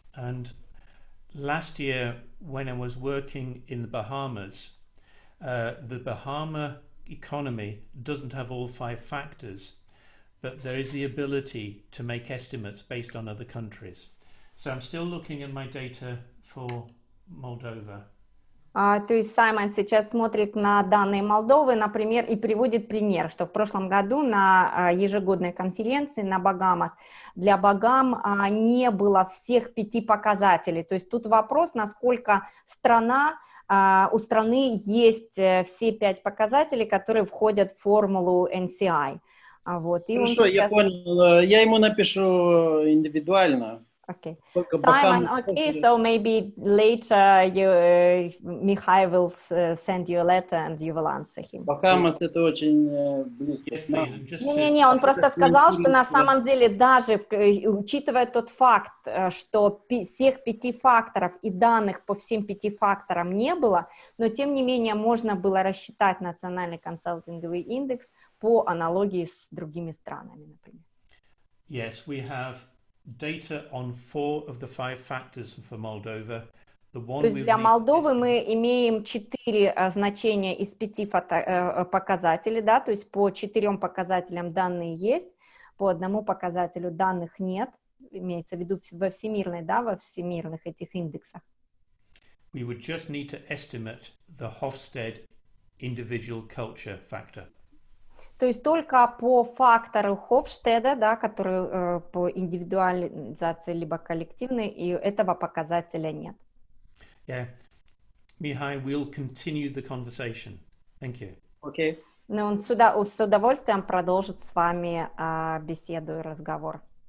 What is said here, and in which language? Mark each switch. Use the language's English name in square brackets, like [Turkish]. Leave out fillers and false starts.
[English] And last year, when I was working in the Bahamas, the Bahama economy doesn't have all five factors, but there is the ability to make estimates based on other countries. So I'm still looking at my data for Moldova. [Russian] То есть Саймон сейчас смотрит на данные Молдовы, например, и приводит пример, что в прошлом году на ежегодной конференции на Багамас для Багам не было всех пяти показателей. То есть тут вопрос, насколько страна, у страны есть все пять показателей, которые входят в формулу NCI. Вот, и хорошо, он сейчас... я понял. Я ему напишу индивидуально. [English] Okay, Simon. Okay, so maybe later you, Mihai will send you a letter and you will answer him. [Russian] Bahamas, это очень близко. Не, он просто сказал, что на самом деле даже учитывая тот факт, что всех пяти факторов и данных по всем пяти факторам не было, но тем не менее можно было рассчитать национальный консалтинговый индекс по аналогии с другими странами, например. [English] Yes, we have data on four of the five factors for Moldova. [Ukrainian] Для Молдови ми маємо 4 значення із 5 показателів, да? [Russian] То есть по 4 показателям дані є, по одному показателю даних нет, имеется в виду во всемирной, да, во всемирных этих индексах. [English] We would just need to estimate the Hofstede individual culture factor. [Russian] То есть только по фактору Хофштеда, да, который по индивидуализации либо коллективной, и этого показателя нет. [English] Yeah. Mihai, we'll continue the conversation. Thank you. Okay. [Russian] Ну, он с удовольствием продолжит с вами беседу и разговор.